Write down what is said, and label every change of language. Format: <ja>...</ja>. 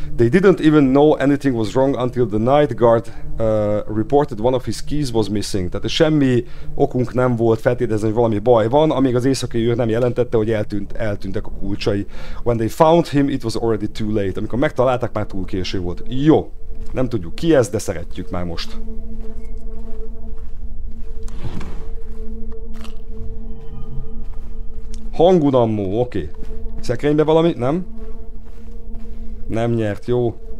<en>They didn't even know anything was wrong until the night guard reported one of his keys was missing.</en> <hu>Tehát semmi okunk nem volt feltételezni, hogy valami baj van, amíg az éjszakai őr nem jelentette, hogy eltűntek a kulcsai.</hu> <en>When they found him, it was already too late.</en> <hu>Amikor megtalálták, már túl késő volt. Jó. Nem tudjuk ki ez, de szeretjük már most. Hangunammó, oké. Szekrénybe valami? Nem? Nem nyert, jó.</hu>